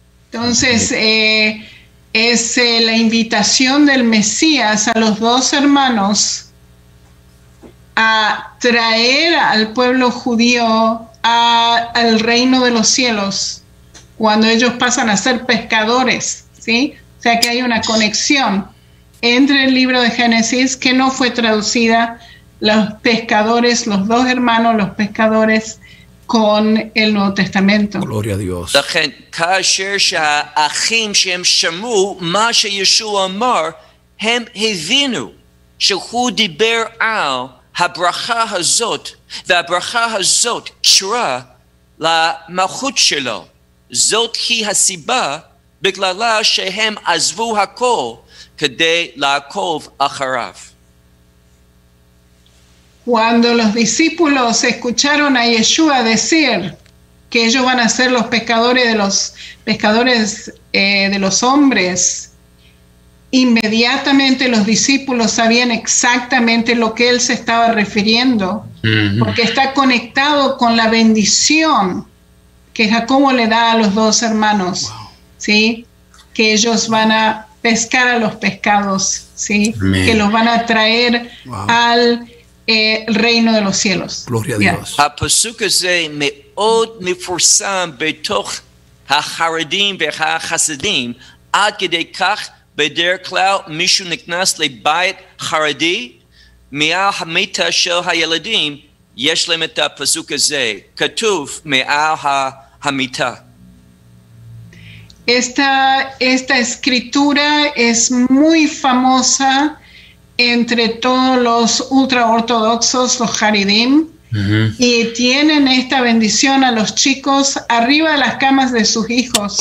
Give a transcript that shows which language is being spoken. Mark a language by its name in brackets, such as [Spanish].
[Spanish] Entonces, es la invitación del Mesías a los dos hermanos a traer al pueblo judío al reino de los cielos cuando ellos pasan a ser pescadores, ¿sí? O sea que hay una conexión entre el libro de Génesis que no fue traducida, los pescadores, los dos hermanos, los pescadores, con el Nuevo Testamento. Gloria a Dios. La gente, [Hebrew] כאשר שהאחים שהם שמעו מה שישוע אמר, הם הבינו שהוא דיבר על הברכה הזאת, והברכה הזאת קשורה למלכות שלו. זאת היא הסיבה בגללה שהם עזבו הכל כדי לעקוב אחריו. [Spanish] Cuando los discípulos escucharon a Yeshua decir que ellos van a ser los pescadores de los hombres, inmediatamente los discípulos sabían exactamente lo que él se estaba refiriendo, porque está conectado con la bendición que Jacobo le da a los dos hermanos, ¿sí? Que ellos van a pescar a los pescados, ¿sí? Que los van a traer al reino de los cielos. Gloria a Dios. [Hebrew] בדרך כלל מישהו נכנס לבית חרדי, מעל המיטה של הילדים יש להם את הפסוק הזה, כתוב מעל המיטה. [Spanish] Esta escritura es muy famosa entre todos los ultraortodoxos, los haridim, Y tienen esta bendición a los chicos arriba de las camas de sus hijos.